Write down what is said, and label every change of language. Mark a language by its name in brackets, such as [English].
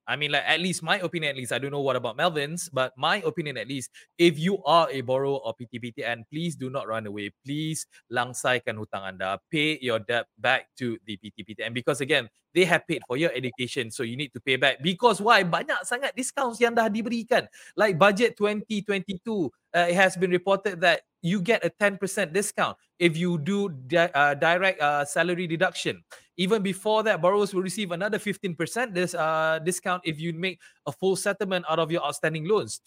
[English] I mean, like, at least my opinion, at least, I don't know what about Melvin's, but my opinion, at least, if you are a borrower or PTPTN, please do not run away. Please [Malay] langsaikan hutang anda. [English] Pay your debt back to the PTPTN. Because again, they have paid for your education, so you need to pay back. Because why? [Malay] Banyak sangat discounts yang dah diberikan. [English] Like budget 2022, it has been reported that you get a 10% discount if you do direct salary deduction. Even before that, borrowers will receive another 15% discount if you make a full settlement out of your outstanding loans.